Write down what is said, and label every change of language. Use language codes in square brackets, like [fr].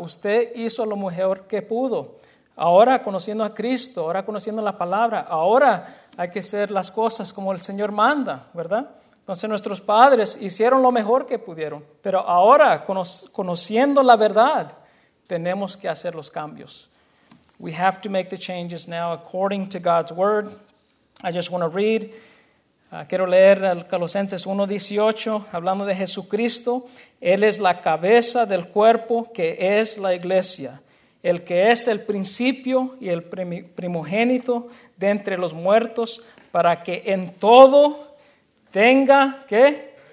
[es] Usted hizo lo mejor que pudo. Ahora, conociendo a Cristo, ahora conociendo la palabra, ahora hay que hacer las cosas como el Señor manda, ¿verdad? Entonces, nuestros padres hicieron lo mejor que pudieron. Pero ahora, conociendo la verdad, tenemos que hacer los cambios. [en] We have to make the changes now according to God's word. I just want to read. [es] Quiero leer al Colosenses 1:18, hablando de Jesucristo. Él es la cabeza del cuerpo que es la iglesia. El que es el principio y el primogénito de entre los muertos, para que en todo tenga, ¿qué?